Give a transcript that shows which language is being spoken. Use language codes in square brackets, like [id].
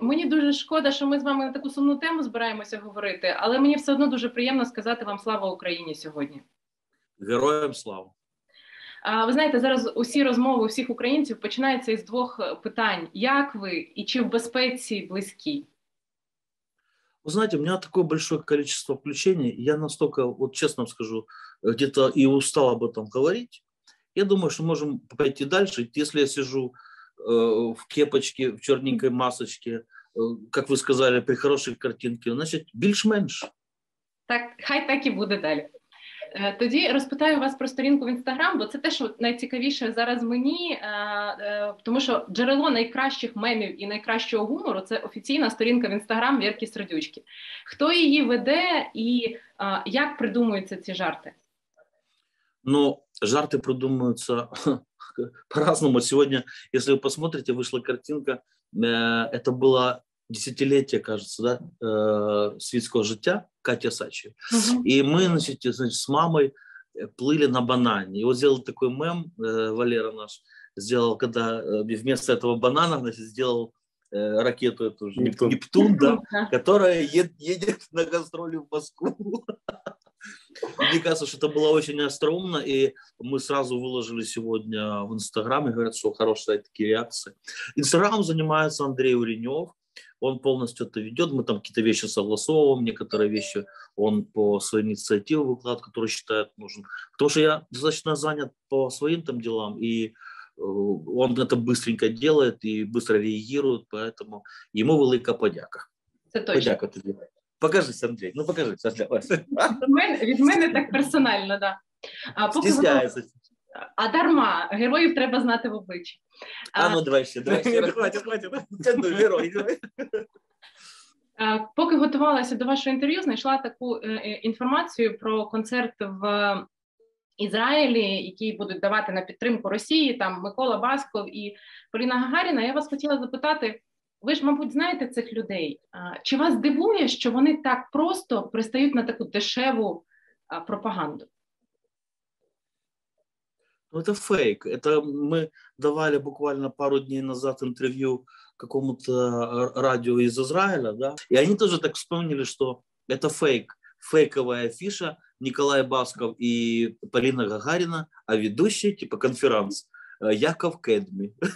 [uk] мені дуже шкода, що ми з вами на таку сумну тему збираємося говорити, але мені все одно дуже приємно сказати вам слава Україні сьогодні. Героям слава. Ви знаєте, зараз усі розмови усіх українців починаються із двох питань. Як ви і чи в безпеці близькі? [ru] Вы знаете, у меня такое большое количество включений, я настолько, вот честно вам скажу, где-то и устал об этом говорить. Я думаю, что можем пойти дальше. Если я сижу в кепочке, в черненькой масочке, как вы сказали, при хорошей картинке, значит, [uk] більш-менш. Так, хай так і буде далі. Тоді розпитаю вас про сторінку в Інстаграм, бо це те, що найцікавіше зараз мені, тому що джерело найкращих мемів і найкращого гумору – це офіційна сторінка в Інстаграм Вірки Сердючки. Хто її веде і як придумуються ці жарти? Ну, жарти придумуються по-разному. Сьогодні, якщо ви подивитеся, вийшла картинка, це була [ru] десятилетие, кажется, да, светского [uk] життя Катя Сачи. [ru] И мы, значит, с мамой плыли на банане. И вот сделал такой мем, Валера наш, сделал, когда вместо этого банана, значит, сделал ракету эту же, Нептун, да, которая едет на гастроли в Москву. Мне кажется, что это было очень остроумно, и мы сразу выложили сегодня в Инстаграме, говорят, что хорошие такие реакции. Инстаграмом занимается Андрей Уренев, он полностью это ведет, мы там какие-то вещи согласовываем, некоторые вещи он по своей инициативе выкладывает, которые считает нужным. Потому что я достаточно занят по своим там делам, и он это быстренько делает и быстро реагирует, поэтому ему [uk] велика подяка. Це точно. Подяка тобі. Покажись, Андрій, ну покажись, аж для вас. Від мене так персонально, так. Да. Стисняється. А дарма, героїв треба знати в обличчі. Ну давай ще. [ru] Хватит. [uk] Це герой. Поки готувалася до вашого інтерв'ю, знайшла таку інформацію про концерт в Ізраїлі, які будуть давати на підтримку Росії, там Микола Басков і Поліна Гагаріна. Я вас хотіла запитати, ви ж, мабуть, знаєте цих людей. Чи вас дивує, що вони так просто пристають на таку дешеву пропаганду? [ru] Ну, это фейк. Это мы давали буквально пару дней назад интервью какому-то радио из Израиля, да? И они тоже так вспомнили, что это фейк. Фейковая афиша Николая Басков и Полина Гагарина, а ведущий, типа, конферанс Яков Кедми.